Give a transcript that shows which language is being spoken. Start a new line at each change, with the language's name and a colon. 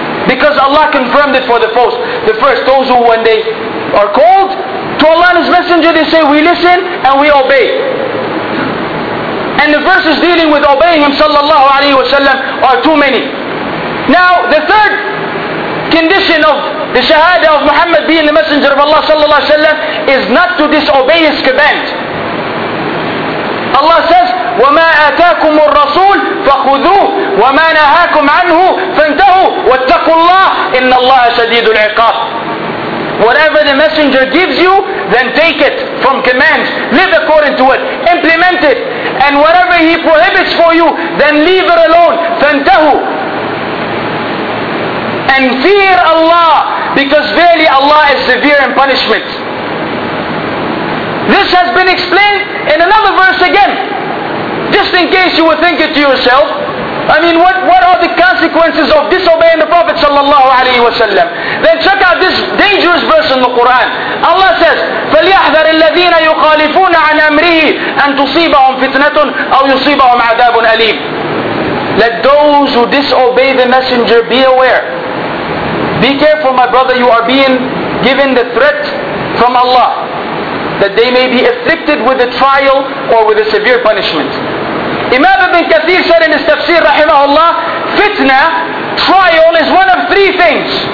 English: Because Allah confirmed it for the first. The first, those who when they are called to Allah and His Messenger, they say, we listen and we obey. And the verses dealing with obeying Him sallallahu alayhi wa sallam are too many. Now, the third condition of the shahada of Muhammad being the Messenger of Allah sallallahu alayhi wa sallam is not to disobey His command. Allah says,
Arabic: وَمَا آتَاكُمُ الرَّسُولُ فَخُذُوهُ وَمَا نَهَاكُمْ عَنْهُ فَانْتَهُوا وَاتَّقُوا اللَّهُ إِنَّ اللَّهَ شَدِيدُ الْعِقَابِ.
English: Whatever the Messenger gives you, then take it from commands. Live according to it. Implement it. And whatever He prohibits for you, then leave it alone.
Arabic: فَانْتَهُوا.
English: And fear Allah, because verily Allah is severe in punishment. This has been explained in another verse again. Just in case you were thinking to yourself, I mean, what are the consequences of disobeying the Prophet sallallahu alaihi wasallam? Then check out this dangerous verse in the Quran. Allah says,
Arabic: فَلْيَحْذَرِ الَّذِينَ يُخَالِفُونَ عَنْ أَمْرِهِ أَنْ تُصِيبَهُمْ فِتْنَةٌ أَوْ يُصِيبَهُمْ عَذَابٌ أَلِيمٌ.
English: Let those who disobey the Messenger be aware. Be careful, my brother, you are being given the threat from Allah, that they may be afflicted with a trial or with a severe punishment. Imam Ibn Kathir said in his tafsir, rahimahullah, fitna, trial, is one of three things.